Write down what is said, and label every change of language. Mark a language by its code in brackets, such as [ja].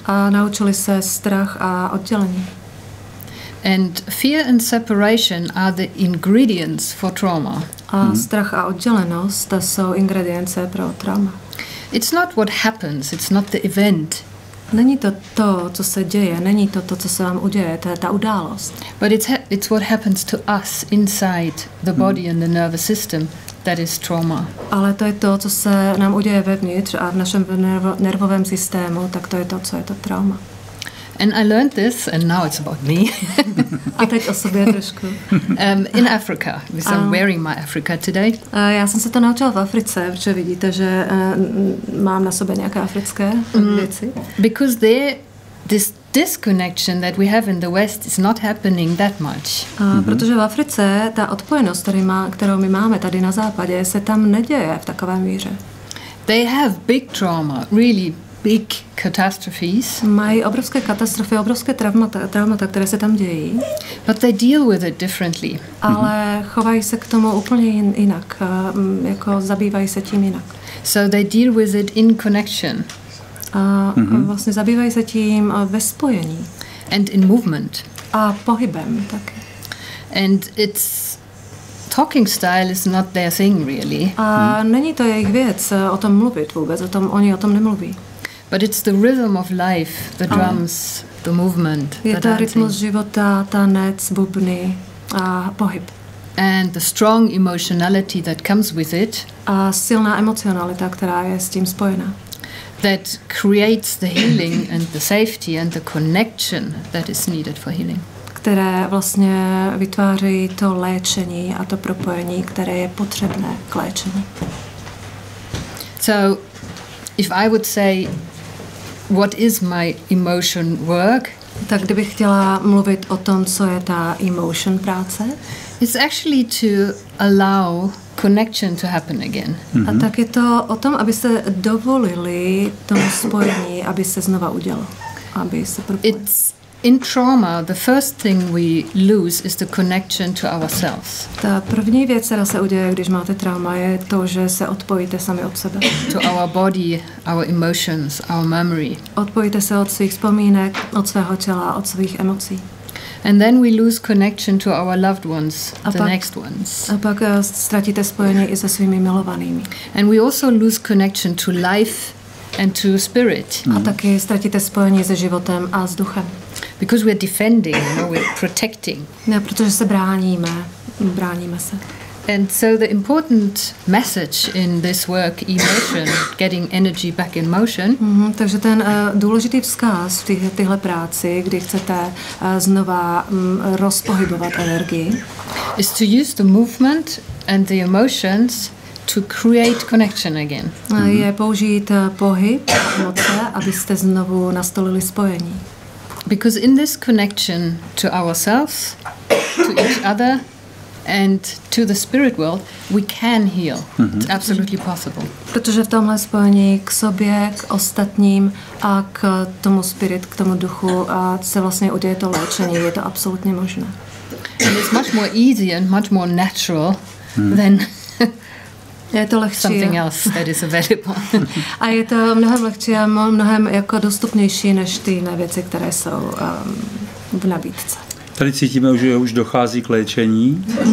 [cs] A naučili se strach a oddělení. [en] And fear and separation are the ingredients for trauma. [cs] A strach a oddělenost, to jsou ingredience pro trauma. [en] It's not what happens, it's not the event. [cs] Není to to, co se děje, není to to, co se vám uděje, to je ta událost. [en] But it's what happens to us inside the body and the nervous system that is trauma. [cs] Ale to je to, co se nám uděje vevnitř a v našem nervovém systému, tak to je to, co je to trauma. [en] And I learned this and now it's about me. [cs] A teď o sobě trošku. [en] In Africa, because I'm wearing my Africa today. [cs] Já jsem se to naučila v Africe, protože vidíte, že mám na sobě nějaké africké věci. [en] Because there this disconnection that we have in the West is not happening that much. [cs] Protože v Africe ta odpojenost, kterou my máme tady na západě, se tam neděje v takové míře. [en] They have big trauma, really big catastrophes. [cs] Mají obrovské katastrofy, obrovské traumata, které se tam dějí. [en] But they deal with it differently. [cs] Ale chovají se k tomu úplně jinak, jako zabývají se tím jinak. [en] So they deal with it in connection. [cs] A vlastně zabývají se tím ve spojení. [en] And in movement. [cs] A pohybem taky. [en] And it's talking style is not their thing really. [cs] A není to jejich věc o tom mluvit vůbec, o tom oni o tom nemluví. [en] But it's the rhythm of life, the drums, the movement, [cs] je [en] the [cs] to rytmus života, tanec, bubny a pohyb. [en] And the strong emotionality that comes with it. [cs] A silná emocionalita, která je s tím spojená. [en] That creates the healing and the safety and the connection that is needed for healing. [cs] Které vlastně vytváří to léčení a to propojení, které je potřebné k léčení. [en] So, if I would say, what is my emotion work? [cs] Tak kdybych chtěla mluvit o tom, co je ta emotion práce. [en] It's actually to allow connection to happen again. [cs] Mm-hmm. A tak je to o tom, aby se dovolili tomu spojení, aby se znova udělo, aby se propojili. [en] It's in trauma, the first thing we lose is the connection to ourselves. [cs] Ta první věc, která se uděje, když máte trauma, je to, že se odpojíte sami od sebe. [en] To our body, our emotions, our memory. [cs] Odpojíte se od svých vzpomínek, od svého těla, od svých emocí. [en] And then we lose connection to our loved ones, the next ones. [cs] A pak ztratíte spojení i se svými milovanými. [en] And we also lose connection to life and to spirit. [cs] A taky ztratíte spojení se životem a s duchem. [en] Because we're defending, you know, we're protecting. [cs] Ne, protože se bráníme, bráníme se. [en] And so the important message in this work, emotion, getting energy back in motion. [cs] Mm-hmm, takže ten důležitý vzkaz v téhle práci, kdy chcete znova rozpohybovat energii, [en] is to use the movement and the emotions to create connection again. [cs] Je použít pohyb, emoce, abyste znovu nastolili spojení. [en] Because in this connection to ourselves, to each other, and to the spirit world, we can heal. Mm-hmm. It's absolutely possible. [cs] Protože v tomhle spojení k sobě, k ostatním a k tomu spirit, k tomu duchu a se vlastně uděje to léčení, je to absolutně možné. [en] And it's much more easy and much more natural than [cs] je to lehčí. [en] Something else that is available. [cs] A je to mnohem lehčí a mnohem jako dostupnější než ty jiné věci, které jsou v nabídce. Tady cítíme, že už dochází k léčení.